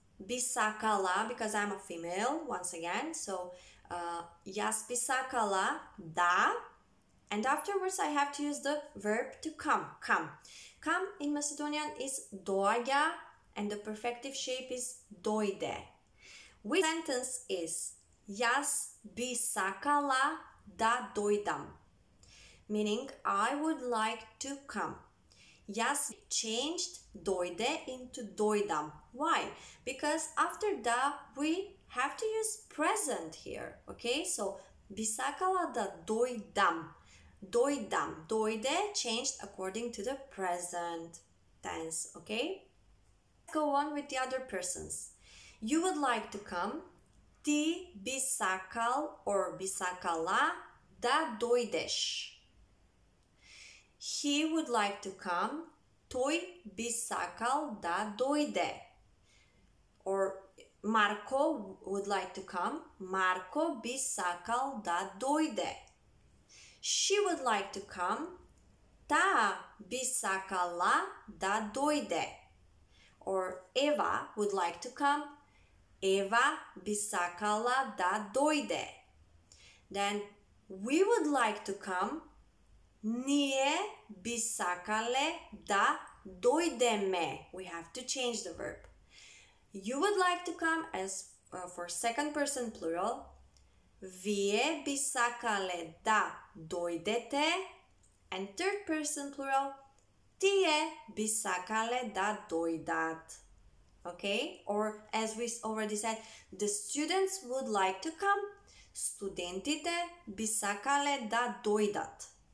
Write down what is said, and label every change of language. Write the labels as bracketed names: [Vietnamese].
[English] Бисакала, because I'm a female, once again, so [Macedonian] Јас бисакала да, [English] and afterwards I have to use the verb to come. Come. Come in Macedonian is доаѓа, and the perfective shape is дојде. Which sentence is [Macedonian] Јас бисакала да дојдам? [English] Meaning, I would like to come. Јас changed дојде into дојдам. Why? Because after da, we have to use present here, okay? [Macedonian] So, бисакала да дојдам. Дојдам. [English] Дојде changed according to the present tense, okay? Let's go on with the other persons. You would like to come. [Macedonian] Ти бисакал or бисакала да дојдеш. [English] He would like to come. [Macedonian] Тој бисакал да дојде. [English] Or Marco would like to come. Marco [Macedonian] би сакал да дојде. [English] She would like to come. [Macedonian] Та би сакала да дојде. [English] Or Eva would like to come. Eva [Macedonian] би сакала да дојде. [English] Then we would like to come. [Macedonian] Ние би сакале да дојдеме. [English] We have to change the verb. You would like to come as for second person plural. [Macedonian] Вие би сакале да дојдете. [English] And third person plural. [Macedonian] Тие би сакале да дојдат. [English] Okay? Or as we already said, the students would like to come. [Macedonian] Студентите би сакале да дојдат.